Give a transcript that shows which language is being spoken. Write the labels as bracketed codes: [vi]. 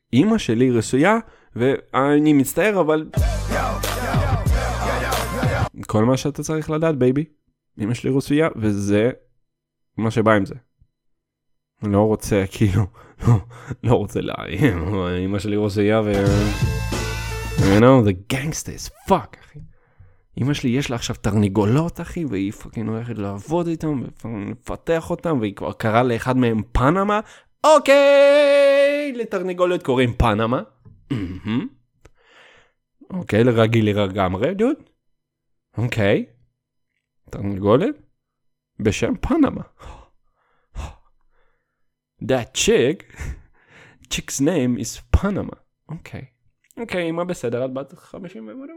[he] אימא שלי רוסייה, ואני מצטער, אבל... כל מה שאתה צריך לדעת, בייבי. אימא שלי רוסייה, וזה מה שבא עם זה. לא רוצה, כאילו, לא רוצה להעים, אמא שלי רוסייה ו... [en] You know, the gangsters, fuck, אחי. [he] אמא שלי יש לה עכשיו תרנגולות, אחי, והיא פאקינג הולכת לעבוד איתם, ולפתח אותם, והיא כבר קרה לאחד מהם פנמה. אוקיי, לתרנגולות קוראים פנמה. אוקיי, לרגיל לגמרי, דוד. אוקיי, תרנגולת בשם פנמה. [en] That chick, chick's name is Panama. Okay. [he] Okay, אמא בסדר, את בת 50.